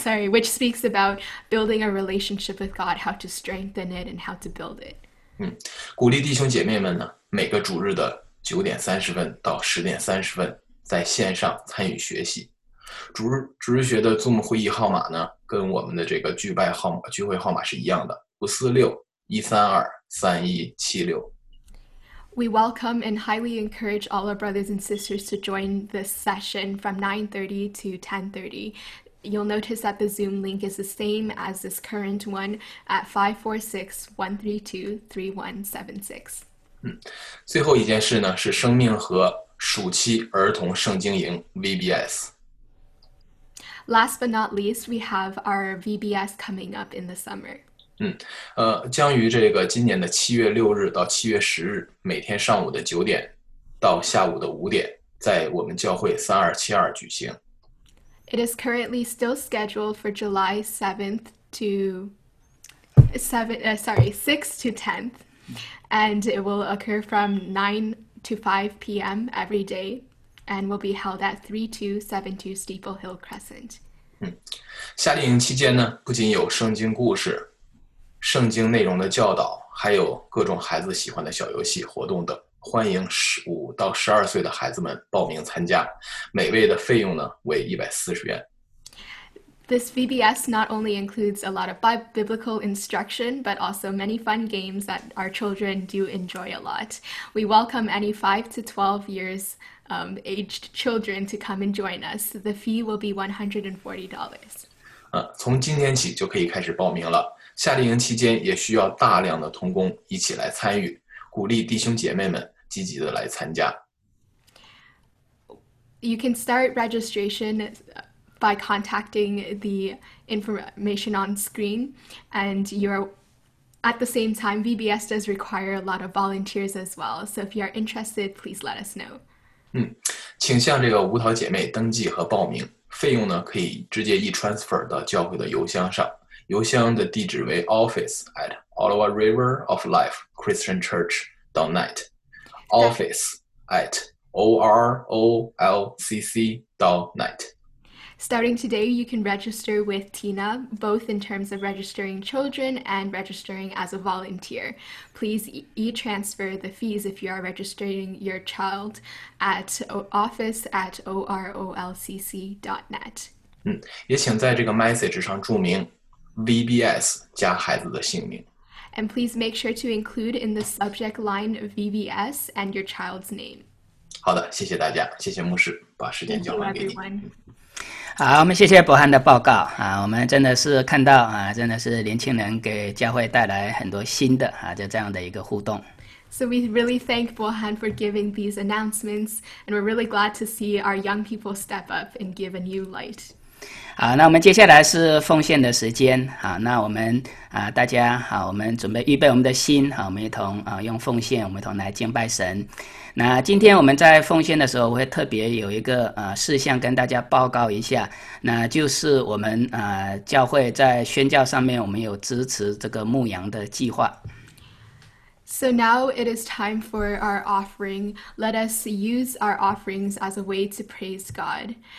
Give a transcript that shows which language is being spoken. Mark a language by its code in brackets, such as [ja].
[en] Which speaks about building a relationship with God, how to strengthen it and how to build it. [zh] 鼓励弟兄姐妹们呢，每个主日的9:30到10:30在线上参与学习。主日学的 Zoom 会议号码呢，跟我们的这个聚会号码是一样的，54613233176。 [en] We welcome and highly encourage all our brothers and sisters to join this session from 9:30 to 10:30. You'll notice that the Zoom link is the same as this current one at 546-132-3176. [zh] 最后一件事呢，是生命和暑期儿童圣经营 VBS. [en] Last but not least, we have our VBS coming up in the summer. [zh] 将于这个今年的7月6日到7月10日，每天上午的9点到下午的5点，在我们教会3272举行。 [en] It is currently still scheduled for July 7th to 6th to 10th, and it will occur from 9 to 5 p.m. every day, and will be held at 3272 Steeple Hill Crescent. [zh] 夏令营期间呢，不仅有圣经故事、圣经内容的教导，还有各种孩子喜欢的小游戏、活动等。欢迎15到12岁的孩子们报名参加，每位的费用呢为140元。 [en] This VBS not only includes a lot of biblical instruction, but also many fun games that our children do enjoy a lot. We welcome any 5 to 12 years aged children to come and join us. The fee will be $140. [zh] 从今天起就可以开始报名了。夏令营期间也需要大量的童工一起来参与，鼓励弟兄姐妹们。积极的来参加。 [en] You can start registration by contacting the information on screen, and you're at the same time. VBS does require a lot of volunteers as well. So if you are interested, please let us know. [zh] 请向这个舞蹈姐妹登记和报名。费用呢，可以直接e-transfer到教会的邮箱上。邮箱的地址为 office@OlivaRiverOfLifeChristianChurch.net。 office@orolcc.net. [en] Starting today, you can register with Tina, both in terms of registering children and registering as a volunteer. Please e-transfer the fees if you are registering your child at office@orolcc.net. [zh] 也请在这个 message 上注明 VBS 加孩子的姓名。 [en] And please make sure to include in the subject line VBS and your child's name. [zh] 好的，谢谢大家，谢谢牧师，把时间交还给你。好，我们谢谢伯翰的报告啊，我们真的是看到啊，真的是年轻人给教会带来很多新的啊，就这样的一个互动。 [en] So we really thank Bohan for giving these announcements, and we're really glad to see our young people step up and give a new light. [zh] 好，那我们接下来是奉献的时间。好，那我们大家好，我们准备预备我们的心。好，我们一同用奉献，我们一同来敬拜神。那今天我们在奉献的时候，我会特别有一个事项跟大家报告一下，那就是我们教会在宣教上面，我们有支持这个牧羊的计划。 [en] So now it is time for our offering. Let us use our offerings as a way to praise God.